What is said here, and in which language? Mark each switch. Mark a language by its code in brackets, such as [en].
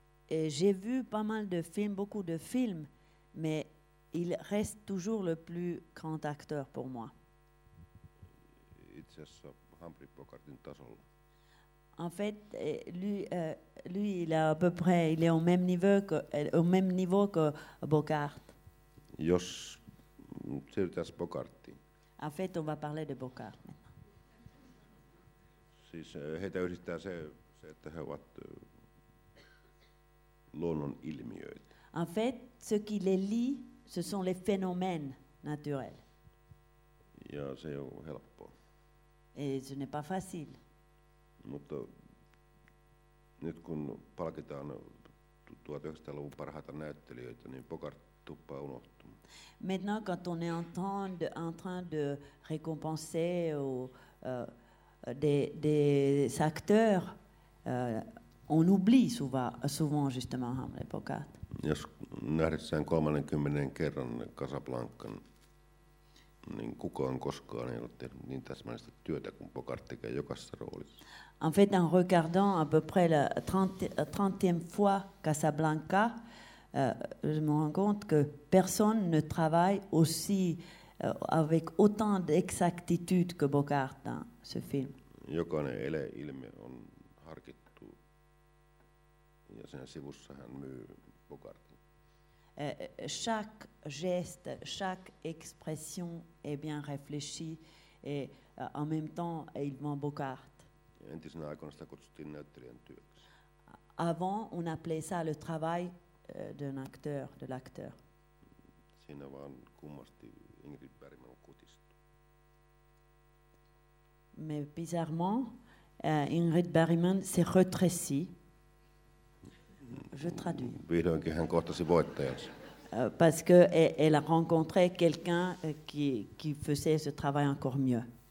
[fr] Et j'ai vu pas mal de films, beaucoup de films, mais il reste toujours le plus grand acteur pour moi. [fi] Itse asiassa Humphrey Bogartin tasolla. [fr] En fait, lui, il est à peu près, il est au même niveau que Bogart. [fi] Jos siirrytään Bogartiin. [fr] En fait, on va parler de Bogart maintenant. [fi] Siis heitä yhdistää se, että he ovat luonnon ilmiöitä. [fr] En fait, ce qui les lie, ce sont les phénomènes naturels. [fi] Ja se on helppoa. [fr] Et ce n'est pas facile. [fi] Mutta nyt kun palkitaan 1900-luvun parhaita näyttelijöitä, niin Bogart tuppaa unohtumaan. [fr] Maintenant, quand on est en train de récompenser des acteurs, on oublie souvent justement Hamlet Bogart. [fi] Jos nähdessään 30 kerran Casablancan, niin kukaan koskaan ei ole tehnyt niin täsmällistä työtä kuin Bogart tekee jokaisessa roolissa. [fr] En fait, en regardant à peu près la 30e fois Casablanca, je me rends compte que personne ne travaille aussi avec autant d'exactitude que Bogart dans ce film. [fi] Jokainen ilme on harkittu. Ja sen sivussa hän myy Bogartin. [fr] Chaque geste, chaque expression est bien réfléchi et en même temps il vend Bogart. [fi] entisenä aikana sitä kutsuttiin näyttelijän työksi. [fr] Avant, on appelait ça le travail d'un acteur, de l'acteur. [fi] Siinä vaan kummasti Ingrid Bergman kutistui. [fr] Mais bizarrement, Ingrid Bergman s'est retressée. Je traduis. [fi] Vihdoinkin hän kohtasi voittajansa. [fr] Parce que elle a rencontré quelqu'un qui faisait ce travail encore mieux.